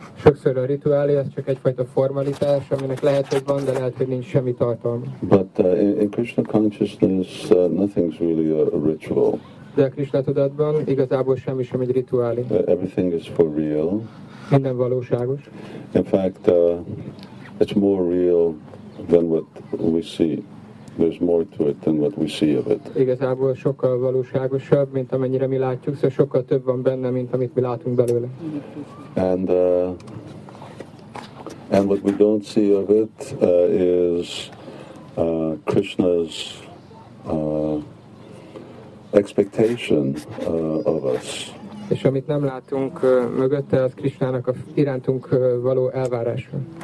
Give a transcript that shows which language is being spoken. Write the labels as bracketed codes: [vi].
[hu] Sokszor a rituálé az csak egyfajta formalitás, aminek lehet, hogy van, de lehet, hogy nincs semmi tartalma. [en] But in Krishna consciousness, nothing's really a ritual. [hu] De a Krishna tudatban igazából semmi sem egy rituálé. [en] Everything is for real. [hu] Minden valóságos. [en] In fact, it's more real than what we see. There's more to it than what we see of it. [hu] Igazából sokkal valóságosabb, mint amennyire mi látjuk, szóval sokkal több van benne, mint amit mi látunk belőle. [en] And what we don't see of it is Krishna's expectation of us. [hu] És amit nem látunk mögötte, az Krishnának a irántunk való elvárása.